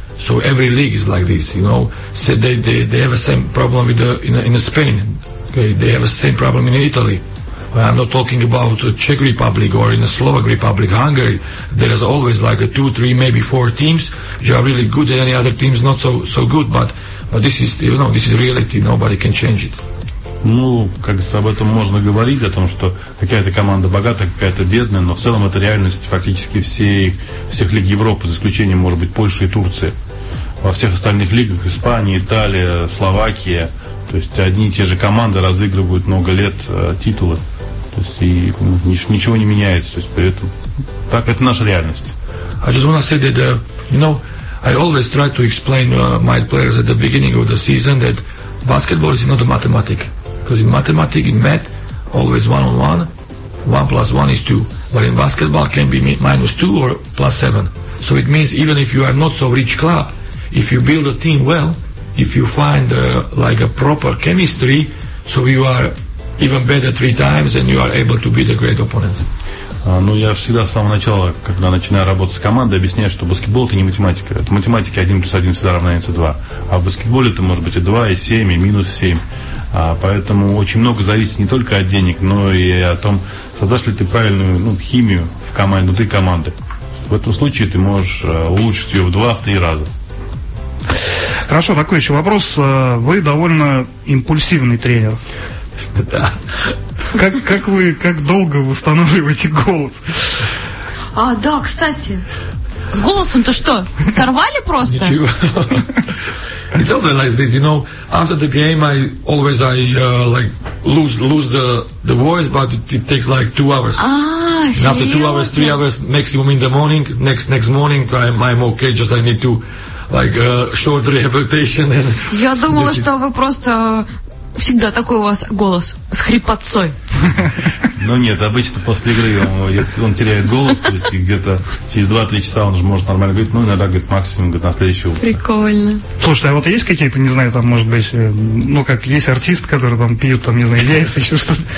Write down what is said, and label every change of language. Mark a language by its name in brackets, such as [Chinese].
[English] So every league is like this, you know. So they have the same problem with in Spain. Okay, they have the same problem in Italy. I'm not talking about Czech Republic or in the Slovak Republic, Hungary. There is always like a two, three, maybe four teams which are really good, and any other teams not so good. But this is, you know, this is reality. Nobody can change it. [Russian] Ну, как об этом можно говорить, о том, что какая-то команда богата, какая-то бедная, но в целом это реальность фактически всех лиг Европы, за исключением, может быть, Польши и Турции. Во всех остальных лигах – Испания, Италия, Словакия. То есть одни и те же команды разыгрывают много лет титулы. То есть и ничего не меняется. То есть при этом так это наша реальность. [English] I just want to say that, you know, I always try to explain my players at the beginning of the season that basketball is not a mathematics. Because in mathematics, in math, always one-on-one, one plus one is two. But in basketball, can be minus two or plus seven. So it means even if you are not so rich club, if you build a team well, if you find like a proper chemistry, so you are even better three times and you are able to beat a great opponent. [Russian] Ну, я всегда с самого начала, когда начинаю работать с командой, объясняю, что баскетбол – это не математика. В математике 1 плюс 1 всегда равняется 2. А в баскетболе это может быть и 2, и 7, и минус 7. А поэтому очень много зависит не только от денег, но и о том, создашь ли ты правильную химию в команде, внутри команды. В этом случае ты можешь улучшить ее в 2, в 3 раза. Хорошо, такой еще вопрос. Вы довольно импульсивный тренер. Да. Как долго восстанавливаете голос? А, да, кстати. С голосом-то что? Сорвали просто? Ничего. [English] I don't know, like this, you know, after the game, I always, lose the voice, but it takes like 2 hours. And after 2 hours, 3 hours, maximum in the morning, next morning, I'm okay, just I need to, like, short rehabilitation. And [Russian] я думала, что вы просто... Всегда такой у вас голос с хрипотцой. Ну нет, обычно после игры он теряет голос, то есть где-то через 2-3 часа он же может нормально говорить, иногда говорит максимум, говорит, на следующий утро. Прикольно. Слушай, а вот есть какие-то, не знаю, там, может быть, как есть артист, который там пьют, там, не знаю, яйца, еще что-то.